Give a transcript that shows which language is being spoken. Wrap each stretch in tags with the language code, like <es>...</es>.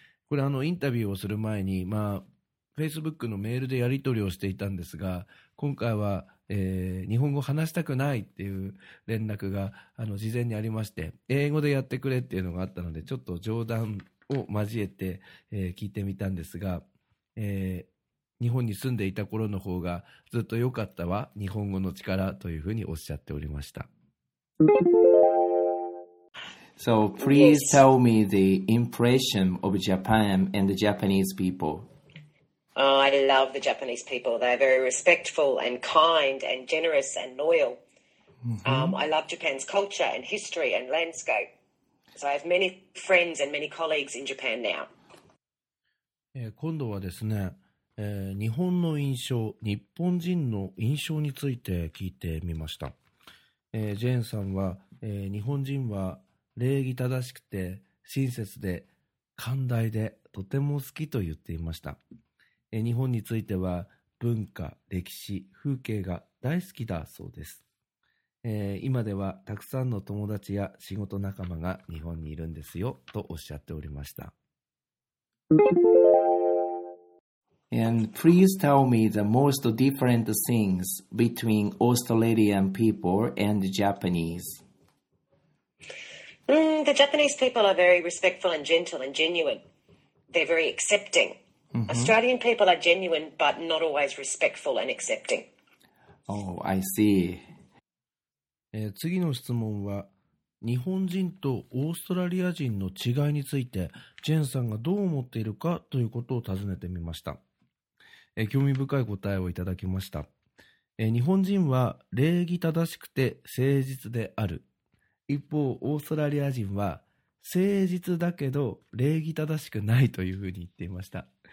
<ja>これインタビューをする前に、まあ、Facebook のメールでやり取りをしていたんですが、今回は、日本語話したくないっていう連絡が事前にありまして、英語でやってくれっていうのがあったので、ちょっと冗談を交えて、聞いてみたんですが、日本に住んでいた頃の方がずっと良かったわ、日本語の力というふうにおっしゃっておりました。</ja> <en>So please tell me the impression of Japan and the Japanese people. I love the Japanese people. They're very respectful and kind and generous and loyal. I love Japan's culture and history and landscape. So I have many friends and many colleagues in Japan now.</en> <ja>今度はですね、日本の印象、日本人の印象について聞いてみました。ジェーンさんは、日本人は礼儀正しくて親切で寛大でとても好きと言っていました。日本については文化、歴史、風景が大好きだそうです。今ではたくさんの友達や仕事仲間が日本にいるんですよとおっしゃっておりました。</ja> <en>And please tell me the most different things between Australian people and Japanese. The Japanese people are very respectful and gentle and genuine. They're very accepting. Mm-hmm. Australian people are genuine but not always respectful and accepting. Oh, I see.</en> <ja>次の質問は、日本人とオーストラリア人の違いについてジェンさんがどう思っているかということを尋ねてみました。興味深い答えをいただきました。日本人は礼儀正しくて誠実である、一方オーストラリア人は誠実だけど礼儀正しくないというふうに言っていました。</ja>